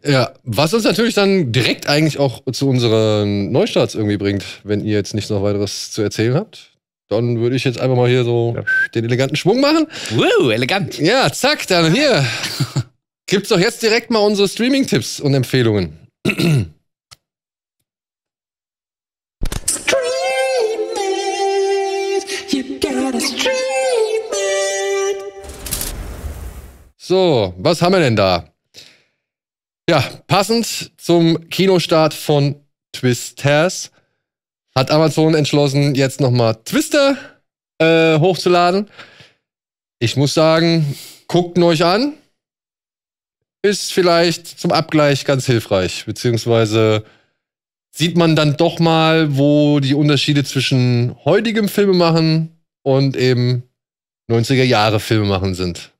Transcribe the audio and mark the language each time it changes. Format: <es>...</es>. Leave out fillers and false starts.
<de>Ja, was uns natürlich dann direkt eigentlich auch zu unseren Neustarts irgendwie bringt, wenn ihr jetzt nichts noch weiteres zu erzählen habt. Dann würde ich jetzt einfach mal hier so den eleganten Schwung machen. Woo, elegant. Ja, zack, dann hier. Gibt's doch jetzt direkt mal unsere Streaming-Tipps und Empfehlungen.</de> <en>Stream it, you gotta stream it.</en> <de>So, was haben wir denn da? Ja, passend zum Kinostart von Twisters hat Amazon entschlossen, jetzt nochmal Twister hochzuladen. Ich muss sagen, guckt ihn euch an. Ist vielleicht zum Abgleich ganz hilfreich, beziehungsweise sieht man dann doch mal, wo die Unterschiede zwischen heutigem Filmemachen und eben 90er-Jahre-Filmemachen sind.</de>